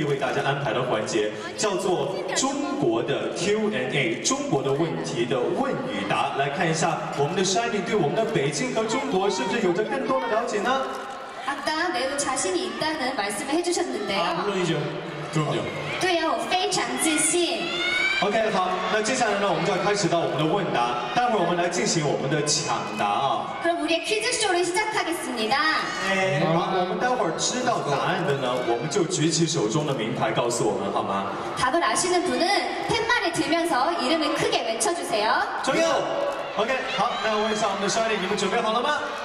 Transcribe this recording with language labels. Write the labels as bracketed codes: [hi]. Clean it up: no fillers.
[zh] 我们在中国这个方面活动的非常多，然后我们在中国活动的期间呢，感觉到了很多东西，然后现在也在学。好，那我们听到刚刚Shining就回答，知道了他们有非常多的信心啊。那接下来呢，就要为各位北京的歌迷朋友们送上一个我们特意为大家安排的环节，叫做中国的 Q&A， 中国的问题的问与答，来看一下我们的Shining对我们的北京和中国是不是有着更多的了解呢？ [ko] 아까 매우 자신이 있다는 말씀을 해주셨는데요. 아, 물론이죠. 그럼요. [zh] 对呀，我非常自信。 OK， 好，那接下来呢，我们就要开始到我们的问答。待会儿我们来进行我们的抢答啊。 [ko] 그럼 우리의 퀴즈 쇼를 시작하겠습니다. 네. [zh] 好，我们待会儿知道答案的呢，我们就举起手中的名牌告诉我们，好吗？ [ko] 답을 아시는 분은 팻말을 들면서 이름을 크게 외쳐주세요. 정유. [zh] OK， 好，那我问一下我们的兄弟，你们准备好了吗？